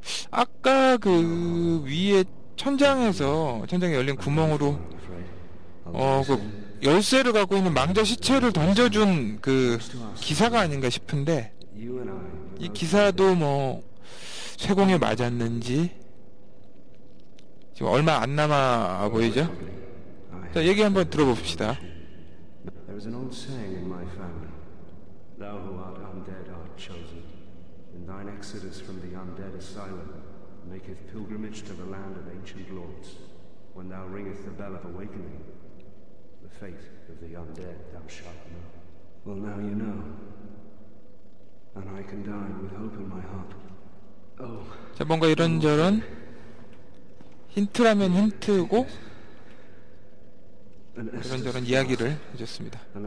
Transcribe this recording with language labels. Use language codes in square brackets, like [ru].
[ko] 아까 그 위에 천장에서 천장에 열린 구멍으로 그 열쇠를 갖고 있는 망자 시체를 던져준 그 기사가 아닌가 싶은데, 이 기사도 뭐 쇠공에 맞았는지 지금 얼마 안 남아 보이죠? 자, 얘기 한번 들어봅시다. [en] There is an old saying in my family. Thou who art undead art chosen. In thine exodus from the undead asylum, maketh pilgrimage to the land of ancient lords. When thou ringeth the bell of awakening, the fate of the undead thou shalt know. Well, now you know. And I can die with hope in my heart. Oh. [ko] 자, 뭔가 이런저런 힌트라면 힌트고 이런저런 이야기를 해줬습니다.